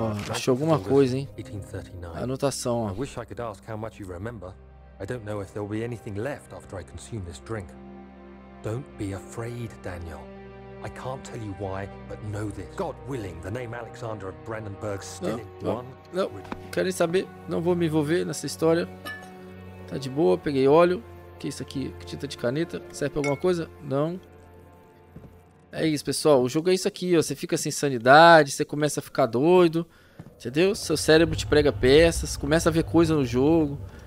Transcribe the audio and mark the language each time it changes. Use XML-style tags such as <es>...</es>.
<pt>Achou alguma coisa, hein?</pt> <en>Anotação, ó. I wish I could ask how much you remember. I don't know if there'll be anything left after I consume this drink. Don't be afraid, Daniel. I can't tell you why, but know this. God willing, the name Alexander of Brandenburg still in one.</en> <pt>Não, não. Quero saber. Não vou me envolver nessa história. Tá de boa, peguei óleo. Que é isso aqui? Tinta de caneta. Serve pra alguma coisa? Não. É isso, pessoal. O jogo é isso aqui, ó. Você fica sem sanidade, você começa a ficar doido. Entendeu? Seu cérebro te prega peças, começa a ver coisa no jogo.</pt>